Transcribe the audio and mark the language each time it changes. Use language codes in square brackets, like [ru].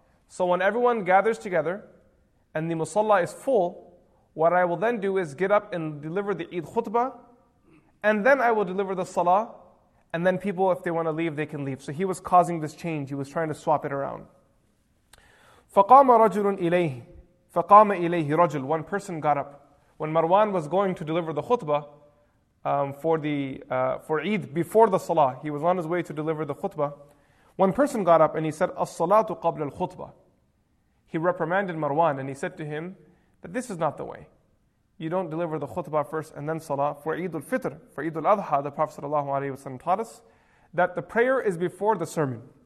[en] So when everyone gathers together, and the Musalla is full, what I will then do is get up and deliver the Eid khutbah, and then I will deliver the Salah, and then people, if they want to leave, they can leave. So he was causing this change. He was trying to swap it around. [ar] فَقَامَ رَجُلٌ إِلَيْهِ فَقَامَ إِلَيْهِ رَجُلٌ [en] One person got up. When Marwan was going to deliver the khutbah for Eid before the Salah, he was on his way to deliver the khutbah. One person got up and he said, [ar] الصَّلَاةُ قَبْلَ الْخُطْبَةِ [en] He reprimanded Marwan and he said to him, that this is not the way. You don't deliver the khutbah first and then salah. For Eid al-Fitr, for Eid al-Adha, the Prophet sallallahu alayhi wa sallam taught us that the prayer is before the sermon.